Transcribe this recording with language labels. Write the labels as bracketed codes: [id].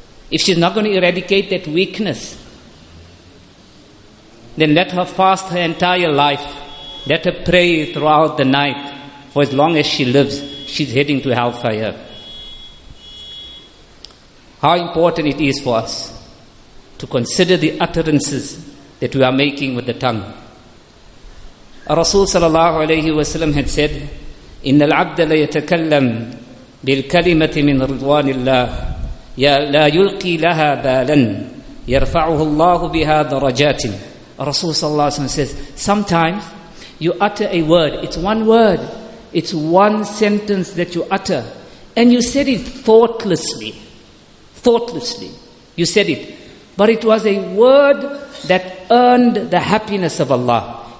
[en] If she's not going to eradicate that weakness, then let her fast her entire life. Let her pray throughout the night. For as long as she lives, she's heading to hellfire. How important it is for us to consider the utterances that we are making with the tongue. [ar] Rasul sallallahu alayhi wa sallam [en] had said, [ar] إِنَّ الْعَبْدَ لَيَتَكَلَّمْ بِالْكَلِمَةِ مِنْ رِضْوَانِ اللَّهِ لَا يُلْقِي لَهَا بَالًا يَرْفَعُهُ اللَّهُ بِهَا دَرَجَاتٍ. [en] Rasul [ar] sallallahu alayhi wa sallam [en] says, sometimes you utter a word, it's one word, it's one sentence that you utter, and you said it thoughtlessly. Thoughtlessly, you said it. But it was a word that earned the happiness of Allah.